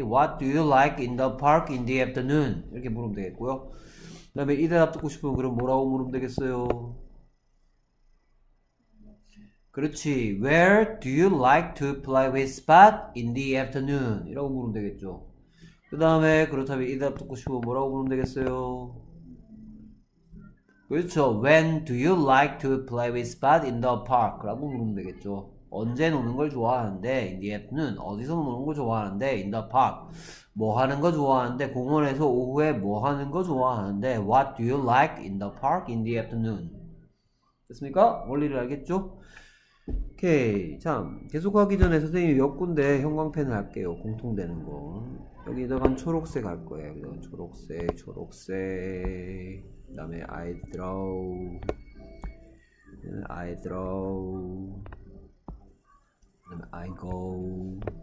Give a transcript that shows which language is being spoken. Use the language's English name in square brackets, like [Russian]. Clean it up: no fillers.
[English] What do you like in the park in the afternoon? [Korean] 이렇게 물으면 되겠고요. 그 다음에 이 대답 듣고 싶으면 그럼 뭐라고 물으면 되겠어요? 그렇지. [English] Where do you like to play with Spot in the afternoon? [Korean] 이라고 물으면 되겠죠. 그 다음에 그렇다면 이 대답 듣고 싶으면 뭐라고 물으면 되겠어요? 그렇죠. [English] When do you like to play with Spot in the park? [Korean] 라고 물으면 되겠죠. 언제 노는 걸 좋아하는데? [English] In the afternoon. [Korean] 어디서 노는 걸 좋아하는데? [English] In the park. [Korean] 뭐 하는 거 좋아하는데? 공원에서 오후에 뭐 하는 거 좋아하는데? [English] What do you like in the park in the afternoon? [Korean] 됐습니까? 원리를 알겠죠? 오케이. 참. 계속하기 전에 선생님이 몇 군데 형광펜을 할게요. 공통되는 거. 여기다가 초록색 할 거예요. 초록색, 초록색. 그 다음에 [English] I draw. I draw. [Korean] 그다음에 [English] I go.